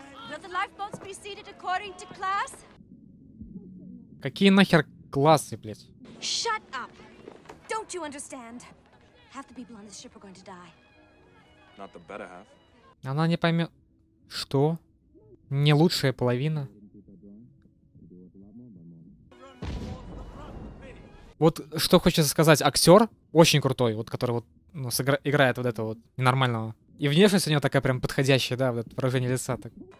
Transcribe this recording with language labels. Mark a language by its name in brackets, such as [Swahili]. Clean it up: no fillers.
[English] Will the lifeboats be seated according to class? [Russian] Какие нахер классы, блять? [English] Shut up! Don't you understand? Half the people on this ship are going to die. Not the better half. [Russian] Она не поймет, что не лучшая половина. Вот что хочется сказать, актер очень крутой, вот который вот, ну, играет вот этого вот ненормального. И внешность у него такая прям подходящая, да, вот это выражение лица так.